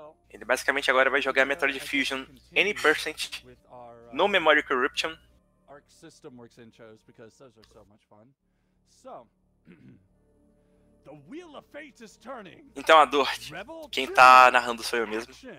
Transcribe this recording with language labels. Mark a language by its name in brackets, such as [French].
[Portuguese] Ele basicamente agora vai jogar Metroid Fusion Any% no Memory Corruption. [English] Arc System works in shows because those are so much fun. So, the wheel of fate is turning. [Portuguese] Então, a dor, quem tá narrando sou eu mesmo.